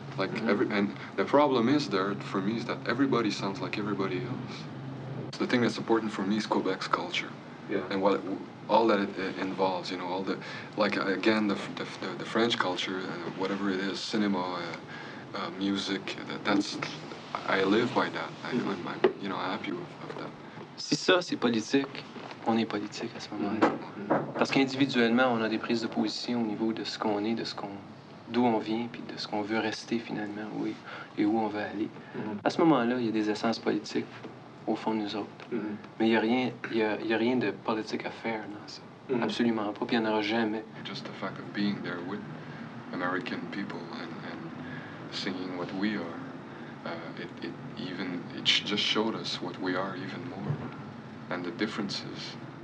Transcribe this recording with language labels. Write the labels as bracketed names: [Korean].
[English] Like and the problem is there for me is that everybody sounds like everybody else. So the thing that's important for me is Quebec's culture. Yeah. And all that it involves, you know, all the, like, again, the French culture, whatever it is, cinema, music, that's, I live by that. I'm, you know, happy with that. [French] Si ça, c'est politique, on est politique à ce moment-là. Mm-hmm. Parce qu'individuellement, on a des prises de position au niveau de ce qu'on est, d'où on vient, puis de ce qu'on veut rester finalement, oui, et où on veut aller. Mm-hmm. À ce moment-là, il y a des essences politiques au fond de nous autres. Mm-hmm. Mais il y a rien de politique à faire dans ça. Mm-hmm. Absolument pas, puis il n'y en aura jamais. [English] Just the fact of being there with American people and singing what we are, it just showed us what we are even more. And the differences.